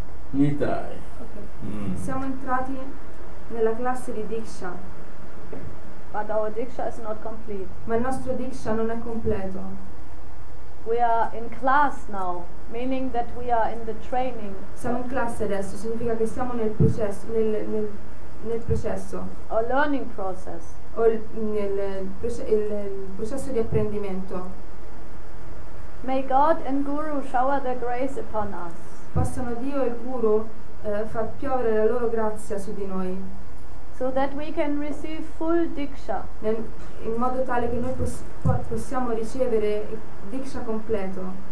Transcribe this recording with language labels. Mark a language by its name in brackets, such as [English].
[Italian] Nitai. Okay. Siamo entrati nella classe di Diksha. [English] But our diksha is not complete. [Italian] Ma il nostro diksha non è completo. [English] We are in class now, meaning that we are in the training. [Italian] Siamo in classe adesso, significa che siamo nel processo, nel processo. [English] A learning process. [Italian] O nel processo di apprendimento. [English] May God and Guru shower their grace upon us. [Italian] Possano Dio e il Guru far piovere la loro grazia su di noi. [English] So that we can receive full diksha. [Italian] In modo tale che noi possiamo ricevere diksha completo.